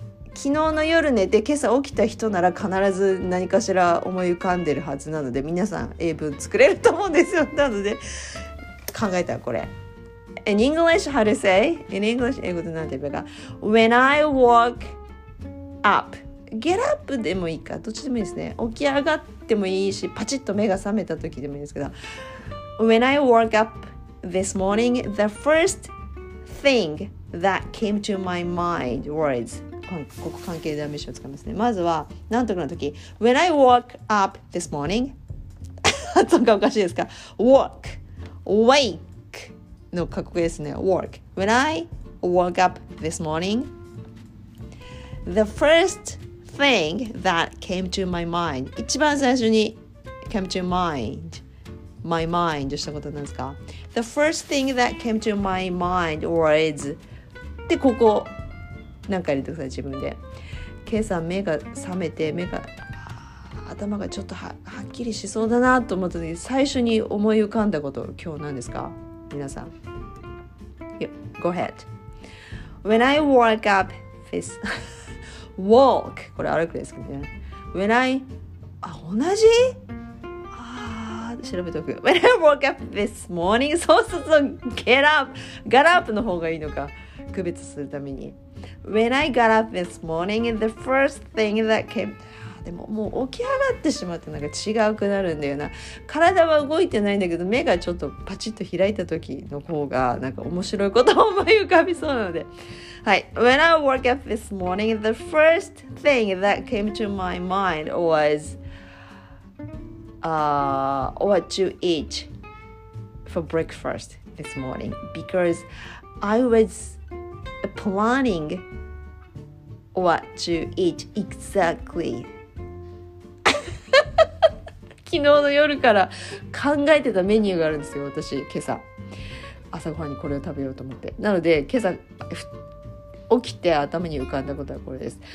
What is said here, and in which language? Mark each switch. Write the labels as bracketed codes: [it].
[ja] 昨日の夜寝て今朝起きた人なら必ず何かしら思い浮かんでるはずなので、皆さん英文作れると思うんですよ。なので考えたらこれ、 [en] In English, how to say? In English, [ja] 英語で何て言えばいいか。 [en] When I woke up, get up [ja] でもいいか、どっちでもいいですね。起き上がってもいいし、パチッと目が覚めた時でもいいですけど、 [en] When I woke up this morning, the first thing that came to my mind was、 [ja] ここ関係代名詞を使いますね。まずは何とかの時、 [en] When I woke up this morning、 [ja] 発音がおかしいですか、 [en] walk、 wake [ja] の格好ですね、 walk。 [en] When I woke up this morning、The first thing that came to my mind. [ja] 一番最初に [en] came to mind. My mind [ja] したことなんですか? [en] The first thing that came to my mind was... [ja] で、ここ、なんか入れてください、自分で。今朝目が覚めて、目が、頭がちょっと はっきりしそうだなと思った時、最初に思い浮かんだこと、今日何ですか? 皆さん。 [en] Go ahead. When I woke up this... Walk. [ja] これ歩くですけどね。 [en] When I... [ja] あ、同じ? あー、調べておく。 [en] When I woke up this morning, [ja] そうそうそう、 [en] get up! Got up [ja] の方がいいのか、区別するために。 [en] When I got up this morning, the first thing that came... [ja] でももう起き上がってしまって、なんか違うくなるんだよな。体は動いてないんだけど、目がちょっとパチッと開いた時の方がなんか面白いことを思い浮かびそうなので、はい。 [en] When I woke up this morning, the first thing that came to my mind was、what to eat for breakfast this morning, because I was planning what to eat exactly。 [ja] 昨日の夜から考えてたメニューがあるんですよ、私。今朝朝ごはんにこれを食べようと思って、なので今朝起きて頭に浮かんだことはこれです。